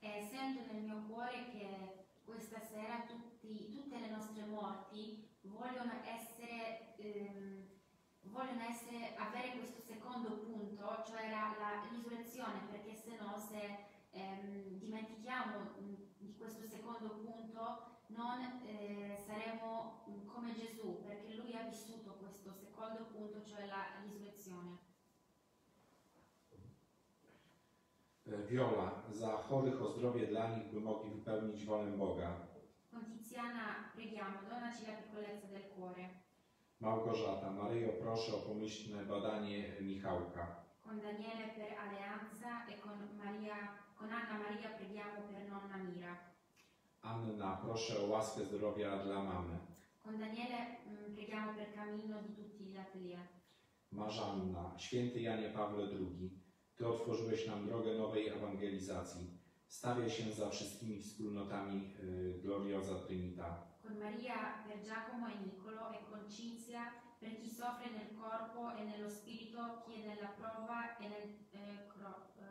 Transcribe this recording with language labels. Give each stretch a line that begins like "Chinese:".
Italian: Sento nel mio cuore che questa sera tutte le nostre morti vogliono essere avere questo secondo punto, cioè la risurrezione, perché se no, se dimentichiamo di questo secondo punto, non saremo come Gesù, perché lui ha vissuto questo secondo punto, cioè la risurrezione.
Polish: Viola, za chorych o zdrowie dla nich, by mogli wypełnić wolę Boga.
Italian: Con Tiziana preghiamo, donaci la piccolezza del cuore.
Polish: Małgorzata, Maryjo, proszę o pomyślne badanie Michałka.
Italian: Con Daniele per Alleanza e con Maria, con Anna Maria preghiamo per nonna Mira.
Polish: Anna, proszę o łaskę zdrowia dla mamy.
Italian: Con Daniele preghiamo per Camino di tutti gli atelier.
Polish: Marzanna, święty Janie Pawle II, Ty otworzyłeś nam drogę nowej ewangelizacji. Stawia się za wszystkimi wspólnotami Gloriosa Trinità.
Italian: Con Maria per Giacomo e Niccolo e con Cinzia per chi soffre nel corpo e nello spirito, chi è nella prova e nel crollo.